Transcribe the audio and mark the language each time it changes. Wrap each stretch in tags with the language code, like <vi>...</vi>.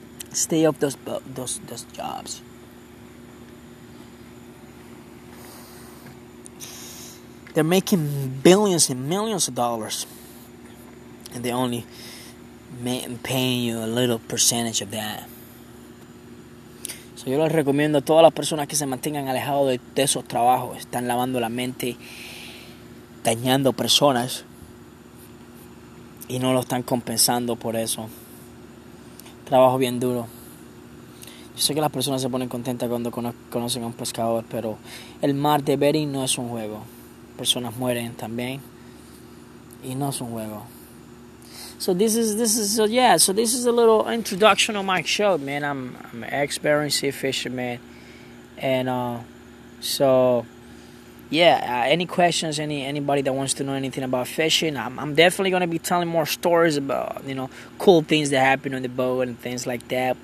<en>Stay off those jobs. They're making billions and millions of dollars, and they're only paying you a little percentage of that.</en> <es>So yo les recomiendo a todas las personas que se mantengan alejados de esos trabajos. Están lavando la mente, dañando personas, y no lo están compensando por eso. Trabajo bien duro. Yo sé que las personas se ponen contentas cuando conocen a un pescador, pero el mar de Bering no es un juego. Personas mueren también, y no es un juego.</es> <en>So this is a little introduction of my show, man. I'm an ex-Bering Sea fisherman, and any questions, anybody that wants to know anything about fishing, I'm definitely going to be telling more stories about, you know, cool things that happen on the boat and things like that.</en>